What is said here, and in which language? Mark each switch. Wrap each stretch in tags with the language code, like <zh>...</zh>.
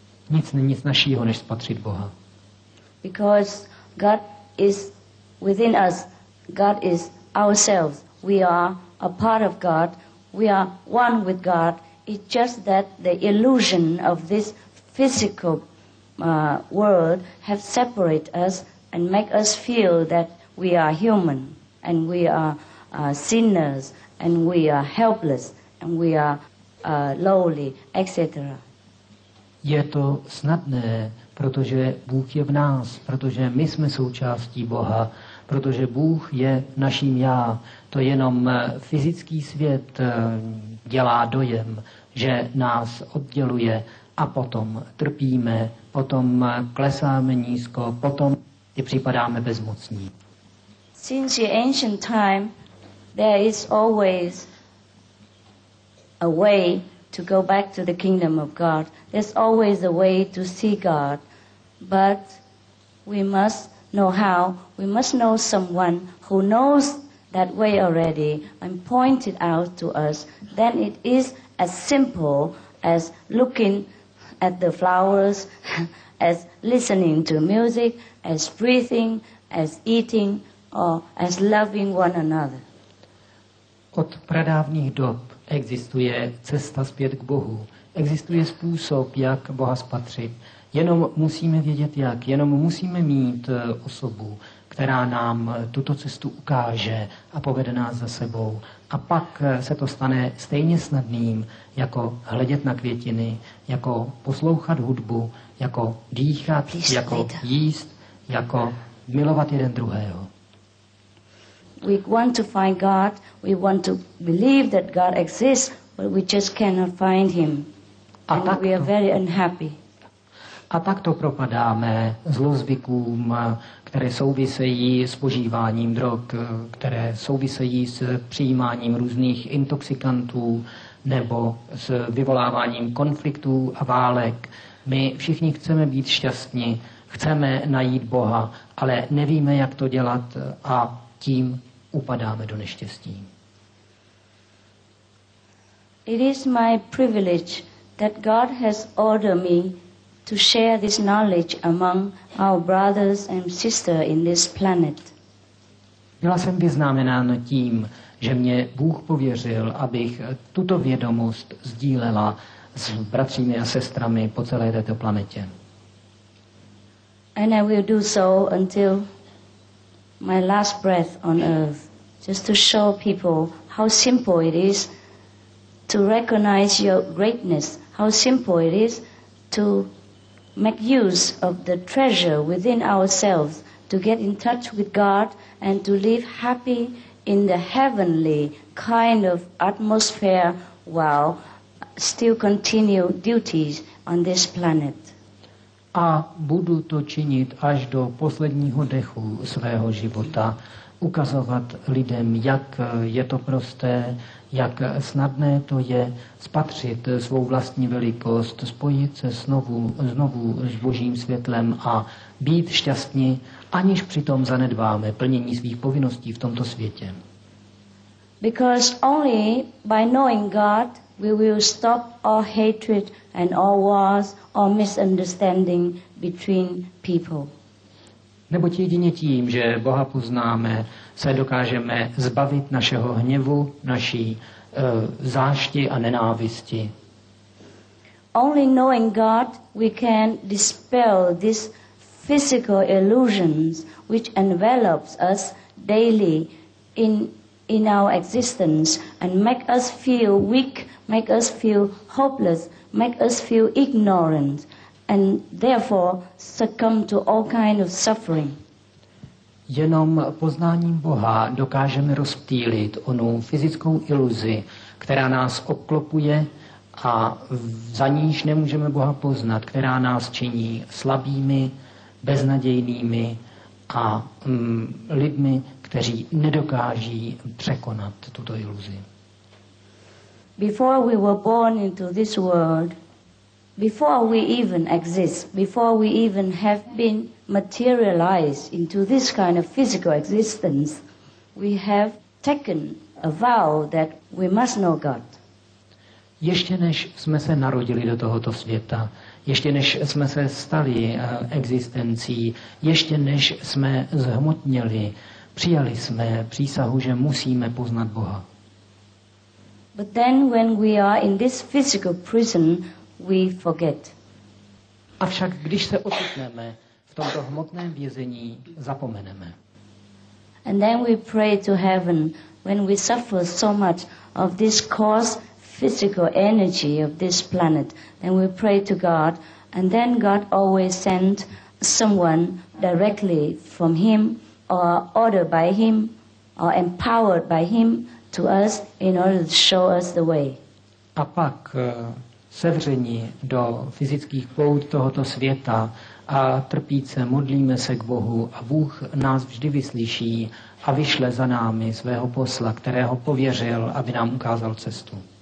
<cs>Nic není snažšího, než spatřit Boha.</cs> <en>Because God is within us. God is ourselves. We are a part of God. We are one with God. It's just that the illusion of this physical world have separated us and make us feel that we are human and we are sinners and we are helpless and we are lowly, etc.</en> <cs>Je to snadné, protože Bůh je v nás, protože my jsme součástí Boha, protože Bůh je naším já. To jenom fyzický svět dělá dojem, že nás odděluje a potom trpíme, potom klesáme nízko, potom i připadáme bezmocní.</cs> <en>Since the ancient time, there is always a way to go back to the kingdom of God. There's always a way to see God, but we must know how. We must know someone who knows that way already and point it out to us. Then it is as simple as looking at the flowers, as listening to music, as breathing, as eating, or as loving one another.</en> <cs>Od pradávných dob existuje cesta zpět k Bohu. Existuje způsob, jak Boha spatřit. Jenom musíme vědět jak, jenom musíme mít osobu, která nám tuto cestu ukáže a povede nás za sebou. A pak se to stane stejně snadným, jako hledět na květiny, jako poslouchat hudbu, jako dýchat, jako jíst, jako milovat jeden druhého.</cs> <en>We want to find God, we want to believe that God exists, but we just cannot find Him. And we are very unhappy.</en> <cs>A tak to propadáme zlozvykům, které souvisejí s požíváním drog, které souvisejí s přijímáním různých intoxikantů nebo s vyvoláváním konfliktů a válek. My všichni chceme být šťastní, chceme najít Boha, ale nevíme, jak to dělat a tím upadáme do neštěstí.</cs> <en>It is my privilege that God has ordered me to share this knowledge among our brothers and sisters in this planet.</en> <cs>Byla jsem vyznamenána tím, že mě Bůh pověřil, abych tuto vědomost sdílela s bratřími a sestrami po celé této planetě.</cs> <en>And I will do so until my last breath on earth, just to show people how simple it is to recognize your greatness, how simple it is to make use of the treasure within ourselves, to get in touch with God and to live happy in the heavenly kind of atmosphere while still continue duties on this planet.</en> <cs>A budu to činit až do posledního dechu svého života, ukazovat lidem, jak je to prosté, jak snadné to je spatřit svou vlastní velikost, spojit se znovu s Božím světlem a být šťastní, aniž přitom zanedbáme plnění svých povinností v tomto světě.</cs> <en>Because only by knowing God we will stop all hatred and all wars or misunderstanding between people.</en> <cs>Neboť jedině tím, že Boha poznáme, se dokážeme zbavit našeho hněvu, naší zášti a nenávisti.</cs> <en>Only knowing God we can dispel these physical illusions which envelops us daily in our existence and make us feel weak, make us feel hopeless, make us feel ignorant and therefore succumb to all kind of suffering.</en> <cs>Jenom poznáním Boha dokážeme rozptýlit onu fyzickou iluzi, která nás obklopuje a za níž nemůžeme Boha poznat, která nás činí slabými, beznadějnými a lidmi, kteří nedokáží překonat tuto iluzi.</cs> <en>Before we were born into this world, before we even exist, before we even have been materialized into this kind of physical existence, we have taken a vow that we must know God.</en> <cs>Ještě než jsme se narodili do tohoto světa, ještě než jsme se stali existencí, ještě než jsme zhmotněli, přijali jsme přísahu, že musíme poznat Boha.</cs> <en>But then when we are in this physical prison, we forget.</en> <cs>Avšak když se ocitneme v tomto hmotném vězení, zapomeneme.</cs> <en>And then we pray to heaven when we suffer so much of this coarse physical energy of this planet. Then we pray to God, and then God always sends someone directly from him, or ordered by him, or empowered by him to us in order to show us the way.</en> <cs>A pak sevření do fyzických pout tohoto světa a trpíce modlíme se k Bohu a Bůh nás vždy vyslyší a vyšle za námi svého posla, kterého pověřil, aby nám ukázal cestu.</cs>